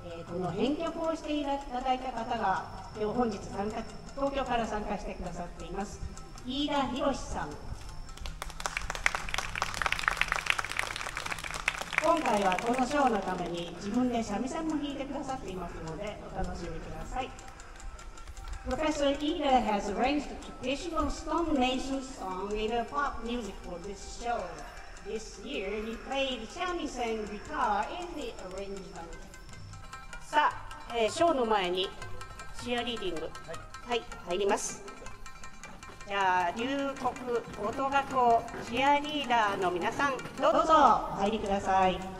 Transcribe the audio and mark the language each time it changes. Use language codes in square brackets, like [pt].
[ja] この編曲をしていただいた方が本日参加、東京から参加してくださっています、飯田博さん。今回はこのショーのために自分で三味線も弾いてくださっていますので、お楽しみください。 [en] Professor Ida has arranged a traditional Stone Nation song in a pop music for this show. This year he played 三味線 guitar in the arrangement。 [ja] さあ、ショーの前にチアリーディング、はい、はい、入ります。じゃあ龍谷高等学校チアリーダーの皆さん、どうぞ入りください。